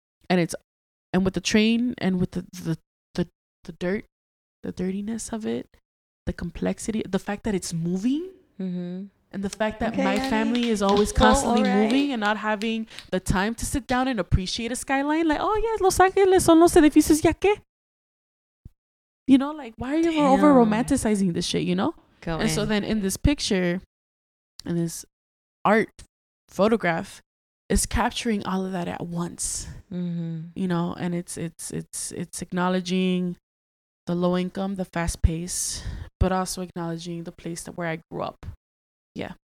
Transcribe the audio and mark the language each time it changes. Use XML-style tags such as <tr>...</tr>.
<en>And it's, and with the train and with the dirt, the dirtiness of it, the complexity, the fact that it's moving, mm-hmm. And the fact that my family is always constantly moving and not having the time to sit down and appreciate a skyline.</en> <es>Like, oh, yeah, Los Angeles son los edificios, ¿ya qué?</es> <en>You know, like, why are you over romanticizing this shit, you know? So then in this picture, in this art photograph, is capturing all of that at once, you know, and it's acknowledging the low income, the fast pace, but also acknowledging the place that where I grew up. Yeah.</en>